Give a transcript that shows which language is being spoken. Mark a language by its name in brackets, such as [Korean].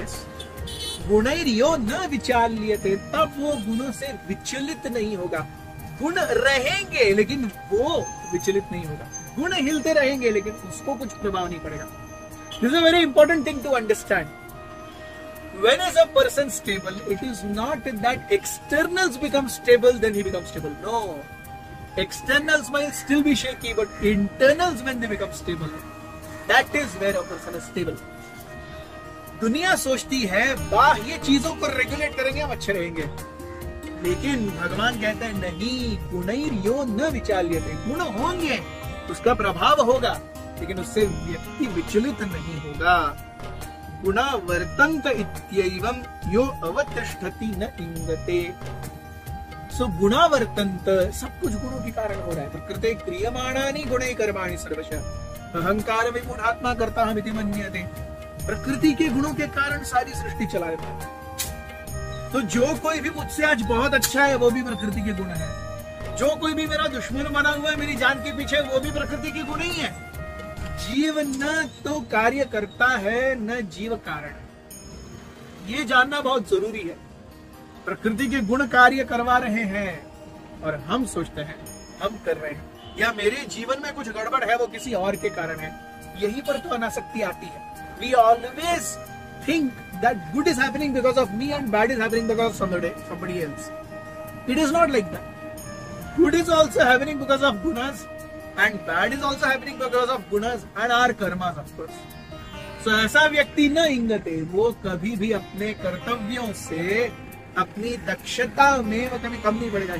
[Hindi] Yes, [Sanskrit] गुणैर्यो न विचाल्यते, [Hindi] तब वो गुणों से विचलित नहीं होगा। गुण रहेंगे लेकिन वो विचलित नहीं होगा, गुण हिलते रहेंगे लेकिन उसको कुछ प्रभाव नहीं पड़ेगा। [English] This is a very important thing to understand. When is a person stable? It is not that externals become stable, then he becomes stable. No. Externals might still be shaky, but internals when they become stable, that is where a person is stable. [Hindi] दुनिया सोचती है बाह्य चीजों को regulate करेंगे हम अच्छे रहेंगे, लेकिन भगवान कहते हैं नहीं, [Sanskrit] गुणैर्यो न विचाल्यते, [Hindi] गुण होंगे, उसका प्रभाव होगा, लेकिन उससे व्यक्ति विचलित नहीं होगा। [Sanskrit] गुणा वर्तन्त इत्येवम् यो अवतिष्ठति न इंगते। [Hindi] सो [Sanskrit] गुणा वर्तन्त, [Hindi] सब कुछ गुणों के कारण हो रहा है। [Sanskrit] प्रकृते क्रियमाणानि गुणे कर्माणि सर्वशः अहंकार विमूढात्मा कर्ता इति मन्यते। [Hindi] प्रकृति के गुणों के कारण सारी सृष्टि चला रहा है। तो जो कोई भी मुझसे आज बहुत अच्छा है वो भी प्रकृति के गुण है, जो कोई भी मेरा दुश्मन बना हुआ है मेरी जान के पीछे, वो भी प्रकृति की गुण ही है। जीव न तो कार्य करता है न जीव कारण, ये जानना बहुत जरूरी है। प्रकृति के गुण कार्य करवा रहे हैं और हम सोचते हैं हम कर रहे हैं, या मेरे जीवन में कुछ गड़बड़ है वो किसी और के कारण है। यही पर तो अनासक्ति आती है। [English] We always think that good is happening because of me and bad is happening because of somebody else. It is not like that. Good is also happening because of gunas and bad is also happening because of gunas and our karmas, of course. [Hindi] So, ऐसा व्यक्ति [Sanskrit] न इंगते, [Hindi] वो कभी भी अपने कर्तव्यों से अपनी दक्षता में वो कभी कम नहीं पड़ेगा।